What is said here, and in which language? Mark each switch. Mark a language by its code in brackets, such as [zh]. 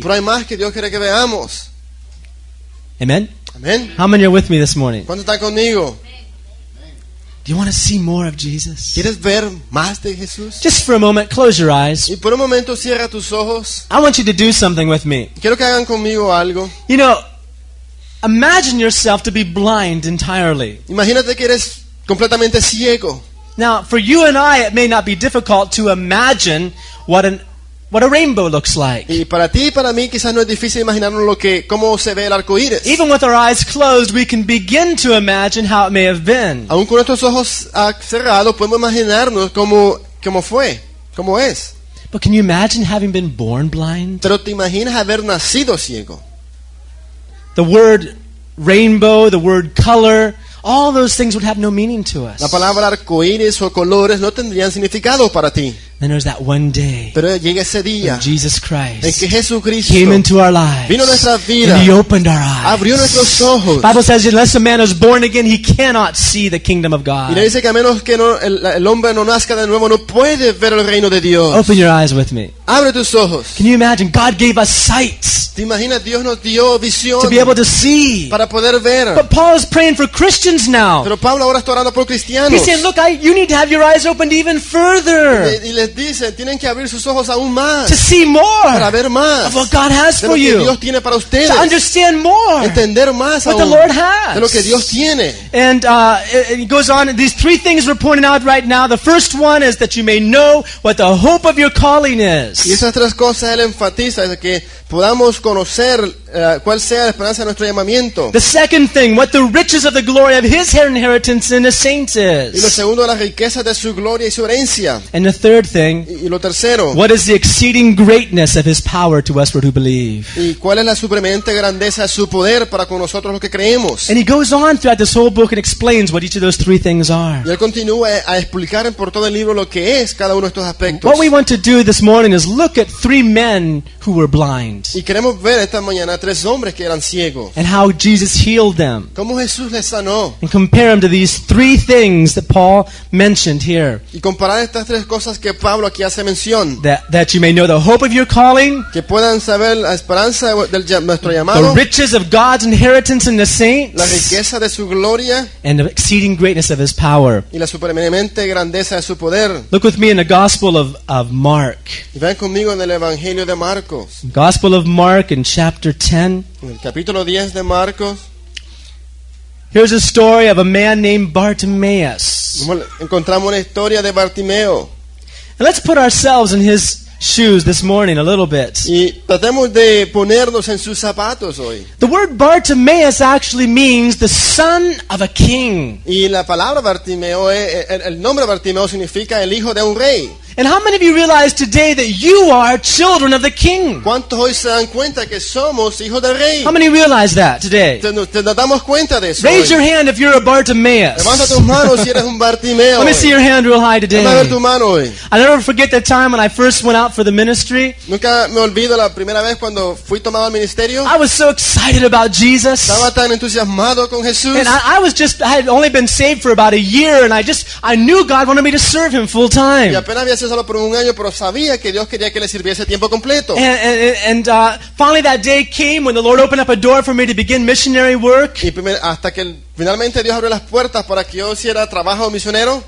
[es] Pero hay más que Dios quiere que veamos. [en] Amen. Amen. How many are with me this morning? [es] ¿Cuántos están conmigo? [en] Do you want to see more of Jesus? [es] ¿Quieres ver más de Jesús? [en] Just for a moment, close your eyes. [es] Y por un momento, cierra tus ojos. [en] I want you to do something with me. [es] Quiero que hagan conmigo algo. [en] You know, imagine yourself to be blind entirely. [es] Imagínate que eres completamente ciego. [en] Now, for you and I, it may not be difficult to imagine what a rainbow looks like. [es] Y para ti y para mí quizás no es difícil imaginarnos lo que cómo se ve el arco iris. [en] Even with our eyes closed, we can begin to imagine how it may have been. [es] Aún con nuestros ojos cerrados podemos imaginarnos cómo fue, cómo es. [en] But can you imagine having been born blind? [es] ¿Pero te imaginas haber nacido ciego? [en] The word rainbow, the word color, all those things would have no meaning to us. [es] La palabra arco iris o colores no tendrían significado para ti. [en] Then there's that one day. [es] Pero llega ese día. [en] Jesus Christ. [es] En que Jesucristo [en] came into our lives. [es] Vino a nuestra vida. [en] And He opened our eyes. [es] Abrió nuestros ojos. [en] Bible says unless a man is born again, he cannot see the kingdom of God. [es] Y dice que a menos que no, el hombre no nazca de nuevo no puede ver el reino de Dios. [en] Open your eyes with me. [es] Abre tus ojos. [en] Can you imagine? God gave us sight. [es] ¿Te imaginas? Dios nos dio visión. [en] To be able to see. [es] Para poder ver. [en] But Paul is praying for Christians now. [es] Pero Pablo ahora está orando por cristianos. [en] He's saying, look, you need to have your eyes opened even further. [es] Dicen, tienen que abrir sus ojos aún más [en] to see more [es] para ver más [en] of what God has for you, [es] de lo que Dios tiene para ustedes, [en] to understand more [es] entender más [en] what the Lord has [es] de lo que Dios tiene. [en] And it goes on, these three things we're pointing out right now. The first one is that you may know what the hope of your calling is. [es] Y esas tres cosas él enfatiza, es que podamos conocer cuál sea la esperanza de nuestro llamamiento. [en] The second thing, what the riches of the glory of His inheritance in the saints is. [es] Y lo segundo, las riquezas de su gloria y su herencia. [en] And the third thing, [es] y lo tercero, [en] what is the exceeding greatness of His power to us who believe. [es] Y cuál es la supremamente grandeza de su poder para con nosotros los que creemos. [en] And He goes on throughout this whole book and explains what each of those three things are. [es] Y Él continúa a explicar por todo el libro lo que es cada uno de estos aspectos. [en] What we want to do this morning is look at three men who were blind. [es] Y queremos ver esta mañana tres hombres que eran ciegos. [en] And how Jesus healed them. [es] ¿Cómo Jesús les sanó? [en] And compare them to these three things that Paul mentioned here. [es] Y comparar estas tres cosas que Pablo aquí hace mención. [en] That you may know the hope of your calling. [es] Que puedan saber la esperanza de nuestro llamado. [en] The riches of God's inheritance in the saints. [es] La riqueza de su gloria. [en] And the exceeding greatness of His power. [es] Y la supremamente grandeza de su poder. [en] Look with me in the Gospel of Mark. [es] Y ven conmigo en el Evangelio de Marcos. [en] Gospel of Mark in chapter 10. [es] El capítulo 10 de Marcos. [en] Here's a story of a man named Bartimaeus. [es] Encontramos una historia de Bartimeo. [en] And let's put ourselves in his shoes this morning a little bit. [es] Y tratemos de ponernos en sus zapatos hoy. [en] The word Bartimaeus actually means the son of a king. [es] Y la palabra Bartimeo, el nombre Bartimeo significa el hijo de un rey. [en] And how many of you realize today that you are children of the King? [es] ¿Cuántos hoy se dan cuenta que somos hijos del Rey? [en] How many realize that today? [es] ¿Te damos cuenta de eso? [en] Raise [es] hoy [en] your hand if you're a Bartimaeus. [es] Levanta tus manos si eres un Bartimeo. [en] Let me see your hand real high today. [es] Levanta tu mano hoy. [en] I never forget the time when I first went out for the ministry. [es] Nunca me olvido la primera vez cuando fui tomado al ministerio. [en] I was so excited about Jesus. [es] Estaba tan entusiasmado con Jesús. [en] And I had only been saved for about a year, and I knew God wanted me to serve Him full time. [es] Y apenas había sido solo por un año, pero sabía que Dios quería que le sirviese tiempo completo. [en] And finally, that day came when the Lord opened up a door for me to begin missionary work. [es] Y hasta que finalmente Dios abrió las puertas para que yo hiciera trabajo misionero.